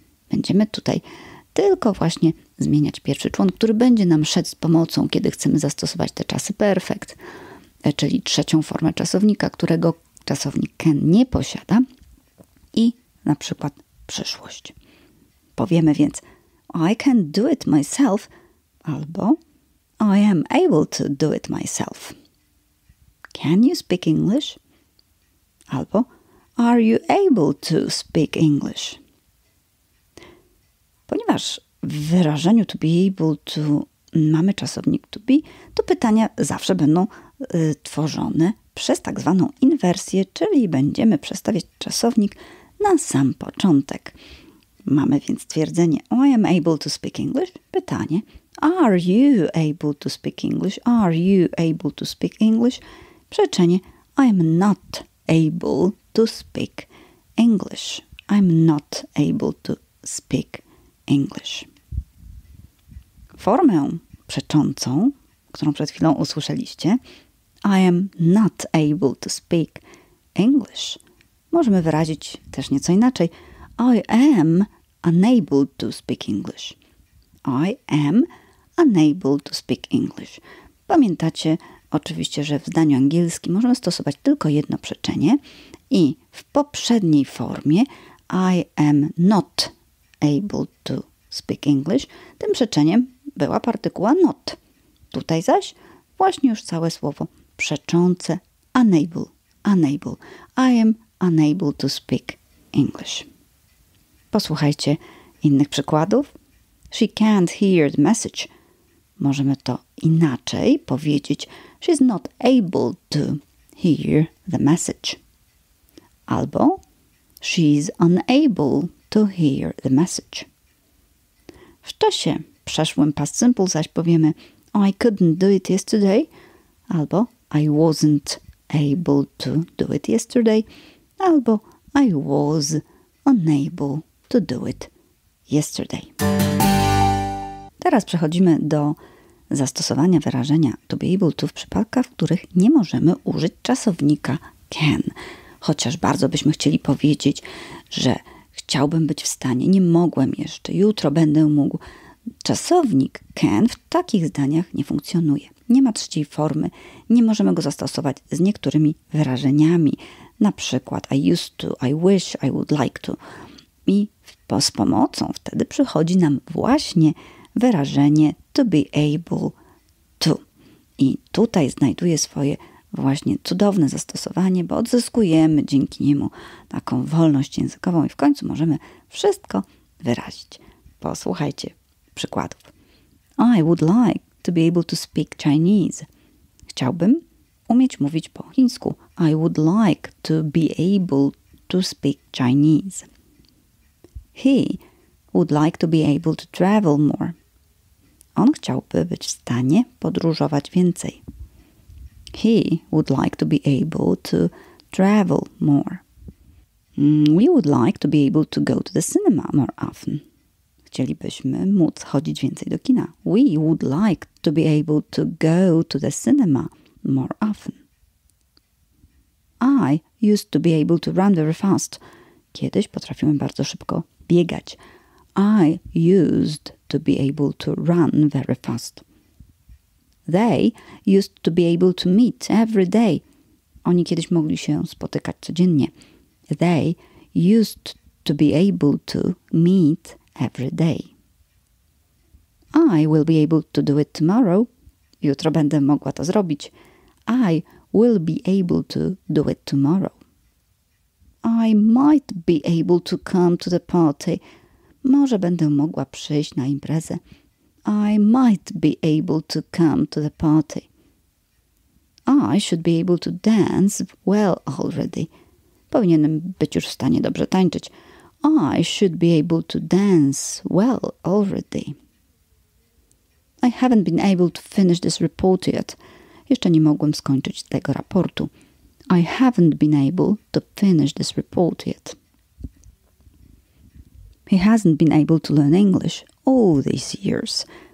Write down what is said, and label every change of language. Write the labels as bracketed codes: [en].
[pl] Będziemy tutaj tylko właśnie zmieniać pierwszy człon, który będzie nam szedł z pomocą, kiedy chcemy zastosować te czasy perfect, czyli trzecią formę czasownika, którego czasownik can nie posiada i na przykład przyszłość. Powiemy więc [en] I can do it myself [pl] albo [en] I am able to do it myself. Can you speak English? [pl] Albo [en] are you able to speak English? [pl] Ponieważ w wyrażeniu to be able to mamy czasownik to be, to pytania zawsze będą tworzone przez tak zwaną inwersję, czyli będziemy przestawiać czasownik na sam początek. Mamy więc stwierdzenie [en] I am able to speak English. [pl] Pytanie [en] are you able to speak English? Are you able to speak English? [pl] Przeczenie [en] I am not able to speak English. I'm not able to speak English. [pl] Formę przeczącą, którą przed chwilą usłyszeliście, [en] I am not able to speak English, [pl] możemy wyrazić też nieco inaczej. [en] I am unable to speak English. I am unable to speak English. [pl] Pamiętacie oczywiście, że w zdaniu angielskim możemy stosować tylko jedno przeczenie i w poprzedniej formie [en] I am not able to speak English [pl] tym przeczeniem była partykuła not. Tutaj zaś właśnie już całe słowo przeczące unable, unable. [en] I am unable to speak English. [pl] Posłuchajcie innych przykładów. [en] She can't hear the message. [pl] Możemy to inaczej powiedzieć. [en] She's not able to hear the message. Albo she's unable to hear the message. [pl] W czasie przeszłym [en] past simple [pl] zaś powiemy [en] I couldn't do it yesterday. [pl] Albo [en] I wasn't able to do it yesterday. [pl] Albo [en] I was unable to do it yesterday. [pl] Teraz przechodzimy do zastosowania wyrażenia to be able to w przypadkach, w których nie możemy użyć czasownika can. Chociaż bardzo byśmy chcieli powiedzieć, że chciałbym być w stanie, nie mogłem jeszcze, jutro będę mógł. Czasownik can w takich zdaniach nie funkcjonuje. Nie ma trzeciej formy, nie możemy go zastosować z niektórymi wyrażeniami, na przykład [en] I used to, I wish, I would like to. [pl] I z pomocą wtedy przychodzi nam właśnie wyrażenie to be able to. I tutaj znajduje swoje właśnie cudowne zastosowanie, bo odzyskujemy dzięki niemu taką wolność językową i w końcu możemy wszystko wyrazić. Posłuchajcie przykładów. [en] I would like to be able to speak Chinese. [pl] Chciałbym umieć mówić po chińsku. [en] I would like to be able to speak Chinese. He would like to be able to travel more. [pl] On chciałby być w stanie podróżować więcej. [en] He would like to be able to travel more. We would like to be able to go to the cinema more often. [pl] Chcielibyśmy móc chodzić więcej do kina. [en] We would like to be able to go to the cinema more often. I used to be able to run very fast. [pl] Kiedyś potrafiłem bardzo szybko biegać. [en] I used to be able to run very fast. They used to be able to meet every day. [pl] Oni kiedyś mogli się spotykać codziennie. [en] They used to be able to meet every day. I will be able to do it tomorrow. [pl] Jutro będę mogła to zrobić. [en] I will be able to do it tomorrow. I might be able to come to the party. [pl] Może będę mogła przyjść na imprezę. [en] I might be able to come to the party. I should be able to dance well already. [pl] Powinienem być już w stanie dobrze tańczyć. [en] I should be able to dance well already. I haven't been able to finish this report yet. [pl] Jeszcze nie mogłem skończyć tego raportu. [en] I haven't been able to finish this report yet. He hasn't been able to learn English all these years.